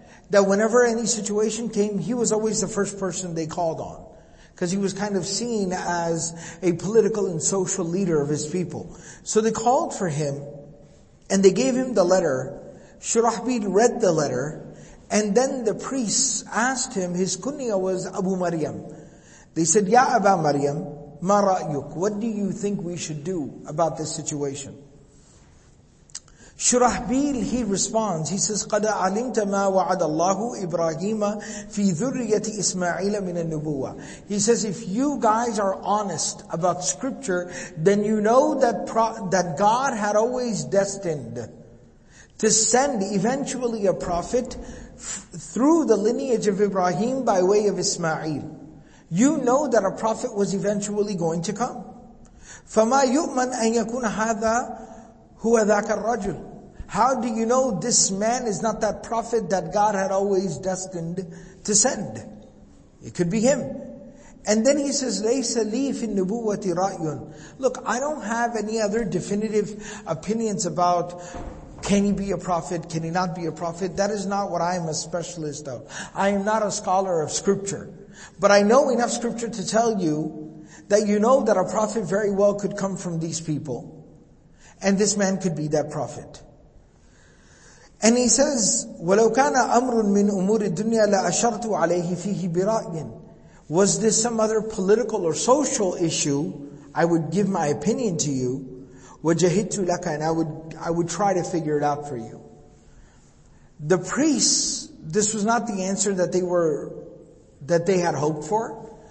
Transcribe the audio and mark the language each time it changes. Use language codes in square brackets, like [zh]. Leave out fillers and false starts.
[en] That whenever any situation came, he was always the first person they called on. Because he was kind of seen as a political and social leader of his people. So they called for him, and they gave him the letter. Shurahbil read the letter, and then the priests asked him, his kunya was Abu Maryam. They said, [ar] يَا أَبَا مَرْيَمْ مَا رَأْيُكْ. [en] What do you think we should do about this situation? Shurahbil, he responds, he says, [ar] قَدَ عَلِمْتَ مَا وَعَدَ اللَّهُ إِبْرَاهِيمَ فِي ذُرِّيَّةِ إِسْمَعِيلَ مِنَ النُّبُوَّةِ. [en] He says, if you guys are honest about scripture, then you know that God had always destined to send eventually a prophet through the lineage of Ibrahim by way of Ismail. You know that a prophet was eventually going to come. [ar] فَمَا يُؤْمَنْ أَنْ يَكُنْ هَذَا هُوَ ذَاكَ الرَّجُلُ. [en] How do you know this man is not that prophet that God had always destined to send? It could be him. And then he says, [ar] لَيْسَ لِي فِي النُّبُوَّةِ رَأْيٌ. [en] Look, I don't have any other definitive opinions about can he be a prophet, can he not be a prophet. That is not what I am a specialist of. I am not a scholar of scripture. But I know enough scripture to tell you that you know that a prophet very well could come from these people. And this man could be that prophet. And he says, [ar] وَلَوْ كَانَ أَمْرٌ مِّنْ أُمُورِ الدُّنْيَا لَأَشَرْتُ عَلَيْهِ فِيهِ بِرَأْيٍ. [en] Was this some other political or social issue, I would give my opinion to you. [ar] وَجَهِدْتُ لَكَ. [en] And I would try to figure it out for you. The priests, this was not the answer that they had hoped for.